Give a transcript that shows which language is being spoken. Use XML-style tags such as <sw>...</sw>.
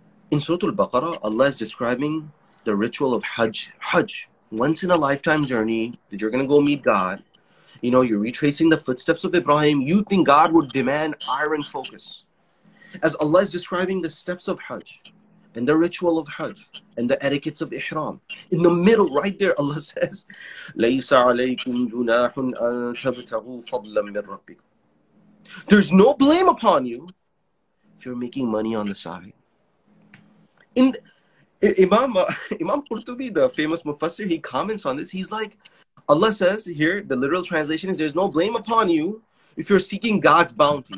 <en>In Surah Al-Baqarah, Allah is describing the ritual of Hajj. Hajj, once in a lifetime journey that you're going to go meet God. You know, you're retracing the footsteps of Ibrahim. You think God would demand iron focus. As Allah is describing the steps of Hajj, and the ritual of Hajj, and the etiquettes of Ihram. In the middle, right there, Allah says,</en> <ar>لَيْسَ عَلَيْكُمْ جُنَاحٌ أَن تَبْتَغُوا فَضْلًا مِنْ رَبِّكُمْ.</ar> <en>There's no blame upon you if you're making money on the side. Imam Qurtubi, the famous Mufassir, he comments on this. He's like, Allah says here, the literal translation is, there's no blame upon you if you're seeking God's bounty.</en>